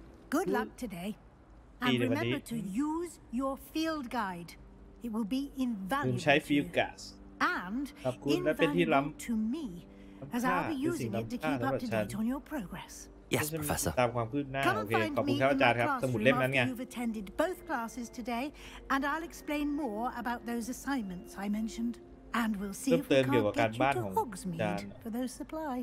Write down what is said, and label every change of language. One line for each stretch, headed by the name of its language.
English: Good luck today. And remember to use your field guide. It will be invaluable. And invaluable to me, as I'll be using it to keep up to date on your progress. Yes, Professor.
Thai: ตามความคืบหน้าโอเคขอบคุณครับอาจารย์ครับสมุดเล่มนั้นไง
English: You've attended both classes today, and I'll explain more about those assignments I mentioned. And we'll see if we can get you to Hogsmeade for those supplies.